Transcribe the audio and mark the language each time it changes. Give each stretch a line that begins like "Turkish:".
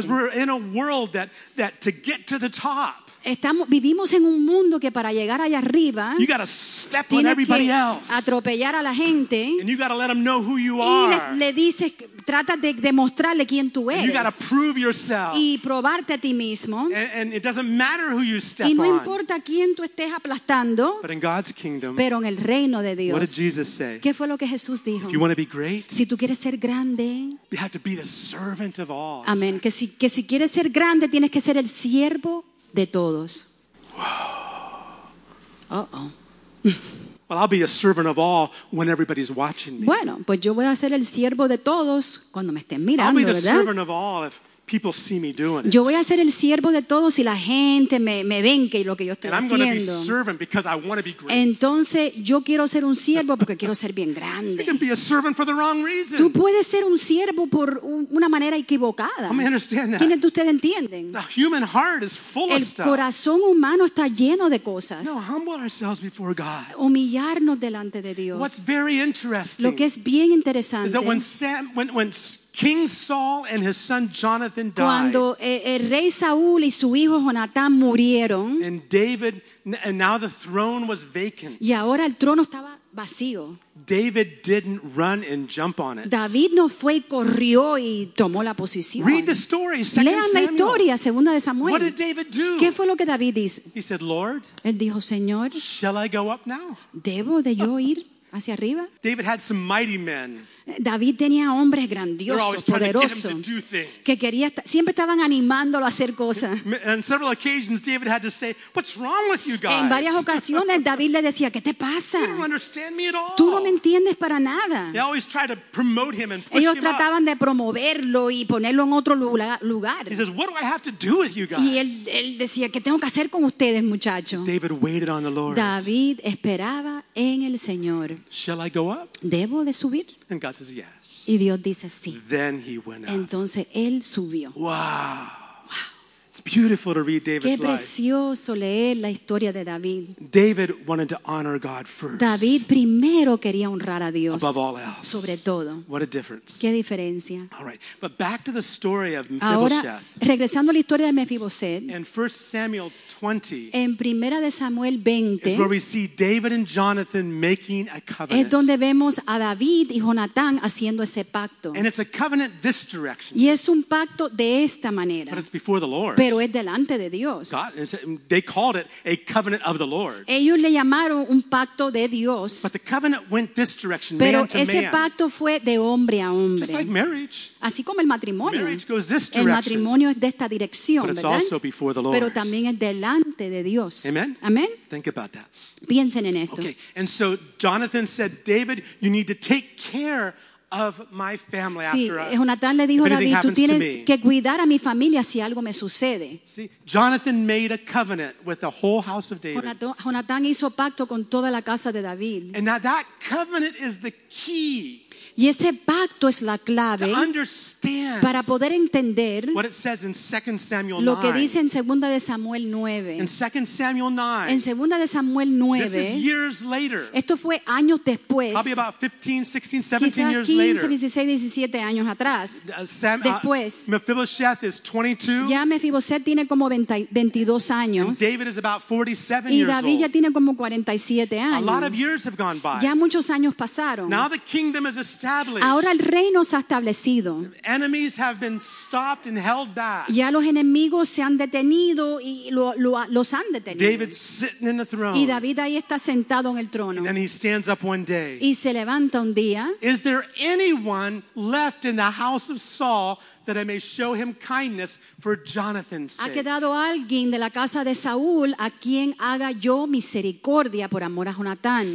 English: Because we're in a world that to get to the top
Spanish: Vivimos en un mundo que para llegar allá arriba
English: you gotta step on everybody
Spanish: que
English: else.
Spanish: Atropellar a la gente
English: and you gotta let them know who you
Spanish: y
English: are.
Spanish: Le dices trata de demostrarle quién tú eres
English: and you gotta prove yourself.
Spanish: Y probarte a ti mismo
English: and it doesn't matter who you step
Spanish: y no
English: on.
Spanish: Importa quién tú estés aplastando
English: But in God's kingdom,
Spanish: pero en el reino de Dios
English: what did Jesus say?
Spanish: ¿Qué fue lo que Jesús dijo?
English: If you wanna be great,
Spanish: si tú quieres ser grande
English: you have to be the servant of all.
Spanish: Amén. Que si quieres ser grande tienes que ser el siervo de todos.
English: Wow. Uh-oh. Well, I'll be a servant of all when everybody's watching me.
Spanish: Bueno, pues yo voy a ser el siervo de todos cuando me estén mirando,
English: I'll be the
Spanish: ¿verdad?
English: Servant of all if people see me doing it.
Spanish: Yo voy a ser el siervo de todos si la gente me ven que lo que yo estoy
English: And I'm going to be servant because I want to be great.
Spanish: Entonces, yo quiero ser un siervo porque quiero ser bien grande.
English: You can be a servant for the wrong reasons.
Spanish: Tú puedes ser un siervo por una manera equivocada.
English: I understand that.
Spanish: ¿Quiénes de ustedes entienden?
English: The human heart is full
Spanish: el
English: of stuff.
Spanish: El corazón humano está lleno de cosas.
English: No, humble ourselves before God.
Spanish: Humillarnos delante de Dios.
English: What's very interesting
Spanish: lo que es bien interesante
English: is that when King Saul and his son Jonathan died.
Spanish: Cuando el rey Saúl y su hijo Jonatán murieron.
English: And David, and now the throne was vacant.
Spanish: Y ahora el trono estaba vacío.
English: David didn't run and jump on it.
Spanish: David no fue y corrió y tomó la posición.
English: Read the story, 2 Samuel.
Spanish: Lean la historia, 2 de Samuel.
English: What did David do?
Spanish: ¿Qué fue lo que David hizo?
English: He said, Lord,
Spanish: él dijo, Señor,
English: shall I go up now?
Spanish: ¿Debo de yo ir? hacia arriba.
English: David had some mighty men.
Spanish: David tenía hombres grandiosos, poderosos, que quería, siempre estaban animándolo a hacer cosas.
English: On several occasions, David had to say, "What's wrong with you guys?"
Spanish: En varias ocasiones, David le decía, "¿Qué te pasa?
English: You don't understand me at all.
Spanish: Tú no me entiendes para nada."
English: They always tried to promote him and push
Spanish: Ellos
English: him
Spanish: trataban
English: up.
Spanish: De promoverlo y ponerlo en otro lugar.
English: He says, "What do I have to do with you guys?"
Spanish: Y él decía, "¿Qué tengo que hacer con ustedes, muchachos?"
English: David waited on the Lord.
Spanish: David esperaba en el Señor.
English: Shall I go up?
Spanish: ¿Debo de subir?
English: And God says yes.
Spanish: Y Dios dice sí.
English: Then he went up.
Spanish: Entonces él subió.
English: Wow. It's beautiful to read David's life.
Spanish: Qué precioso leer la historia de David.
English: David wanted to honor God first.
Spanish: David primero quería honrar a Dios.
English: Above all else.
Spanish: Sobre todo.
English: What a difference.
Spanish: Qué diferencia.
English: All right. But back to the story of Mephibosheth.
Spanish: Ahora, regresando a la historia de Mephibosheth.
English: In 1 Samuel 20.
Spanish: En Primera de Samuel 20.
English: Is where we see David and Jonathan making a covenant.
Spanish: Es donde vemos a David y Jonatán haciendo ese pacto.
English: And it's a covenant this direction.
Spanish: Y es un pacto de esta manera.
English: But it's before the Lord.
Spanish: Pero es delante de Dios.
English: God, they called it a covenant of the Lord.
Spanish: Ellos le llamaron un pacto de Dios.
English: But the covenant went this direction,
Spanish: Pero
English: man to man.
Spanish: Pero ese pacto fue de hombre a hombre.
English: Just like marriage.
Spanish: Así como el matrimonio.
English: Marriage goes this direction.
Spanish: El matrimonio es de esta dirección,
English: but it's
Spanish: ¿verdad?
English: Also before the Lord.
Spanish: Pero también es delante de Dios.
English: Amen. Amen. Think about that.
Spanish: Piensen en esto.
English: Okay. And so Jonathan said, David, you need to take care of my family
Spanish: sí,
English: after
Spanish: Jonathan le dijo a David, tú tienes que cuidar a mi familia si algo me sucede.
English: See, Jonathan made a covenant with the whole house of David.
Spanish: Jonathan hizo pacto con toda la casa de David.
English: And now that covenant is the key.
Spanish: Y ese pacto es la clave para poder entender
English: what it says in 2 Samuel 9.
Spanish: Lo que dice en 2 de Samuel 9.
English: In 2 Samuel 9.
Spanish: En 2 de Samuel 9.
English: This is years later.
Spanish: Esto fue años después.
English: Probably about 15, 16, 17 years later.
Spanish: 15, 16, 17 años atrás. Después.
English: Mephibosheth is 22.
Spanish: Ya Mephibosheth tiene como 22 años.
English: And David is about 47 years old.
Spanish: Y David ya tiene como 47 años.
English: A lot of years have gone by.
Spanish: Ya muchos años pasaron.
English: Now the kingdom is established.
Spanish: Ahora el reino se ha establecido.
English: Enemies have been stopped and held back.
Spanish: Ya los enemigos se han detenido y los han detenido.
English: David's sitting in the throne.
Spanish: Y David ahí está sentado en el trono.
English: And then he stands up one day.
Spanish: Y se levanta un día.
English: Is there anyone left in the house of Saul that I may show him kindness for Jonathan's sake?
Spanish: ¿Ha quedado alguien de la casa de Saúl a quien haga yo misericordia por amor a Jonatán?